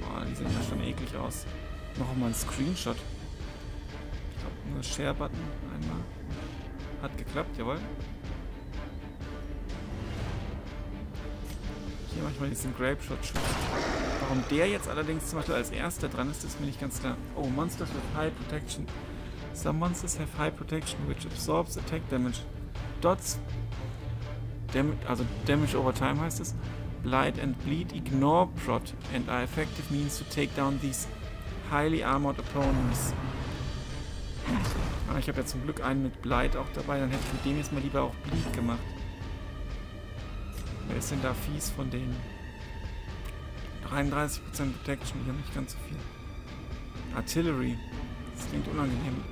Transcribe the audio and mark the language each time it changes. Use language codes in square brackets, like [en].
[de] Boah, die sehen ja schon eklig aus. Machen wir mal einen Screenshot. Ich glaube, nur Share-Button einmal. Hat geklappt, jawohl. Hier manchmal diesen Grapeshot-Schuss. Warum der jetzt allerdings zum Beispiel als erster dran ist, ist mir nicht ganz klar. [en] Oh, Monsters with High Protection. Some monsters have high protection, which absorbs attack damage. Dots. [de] Also Damage over time heißt es. [en] Blight and Bleed ignore prot and are effective means to take down these highly armored opponents. [de] Ah, ich habe ja zum Glück einen mit Blight auch dabei, dann hätte ich mit dem jetzt mal lieber auch Bleed gemacht. Wer ist denn da fies von denen? 33% Protection, ich habe nicht ganz so viel. Artillery. Das klingt unangenehm.